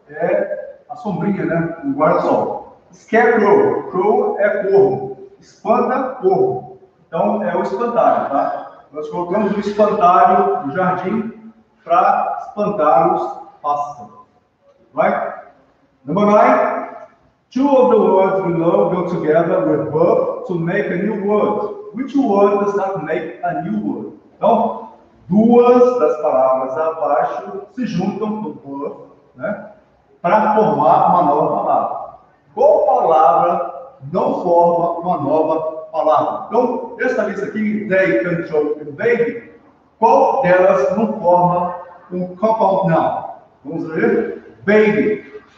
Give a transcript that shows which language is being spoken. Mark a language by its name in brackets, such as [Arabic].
[Portuguese] É a sombrinha, né? O guarda-sol. Scarecrow, crow é corvo. Espanta, corvo. Então é o espantalho, tá? Nós colocamos o espantalho no jardim para espantar os pássaros. [English] Right? Number 9. Two of the words below go together with verb to make a new word. Which word does not make a new word? [Portuguese] Então, duas das palavras abaixo se juntam com o verb, né, para formar uma nova palavra. Qual palavra não forma uma nova palavra? Então, essa lista aqui, they, control, and baby, qual delas não forma um compound noun? Vamos ver? Baby.